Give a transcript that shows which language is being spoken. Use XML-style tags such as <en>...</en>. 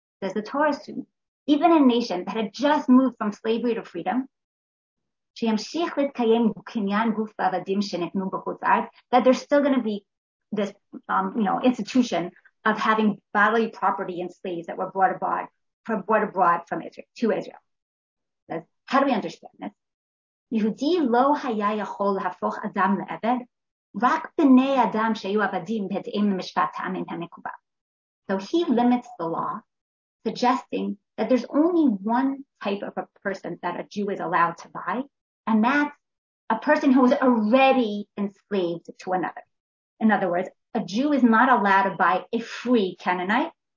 <en>Does the Torah assume, even a nation that had just moved from slavery to freedom,</en> <he>שימשיך להתקיים בקניין גוף ועבדים שנתנו בחוץ ארץ,</he> <en>that there's still going to be this, you know, institution of having bodily property and slaves that were brought abroad, brought abroad from Israel, to Israel. Says, how do we understand this?</en> <he>יהודי לא היה יכול להפוך אדם לעבד, רק בני אדם שהיו עבדים בהתאם למשפטם עם המקובל.</he> <en>So he limits the law, suggesting that there's only one type of a person that a Jew is allowed to buy, and that's a person who was already enslaved to another. In other words, a Jew is not allowed to buy a free Canaanite.</en>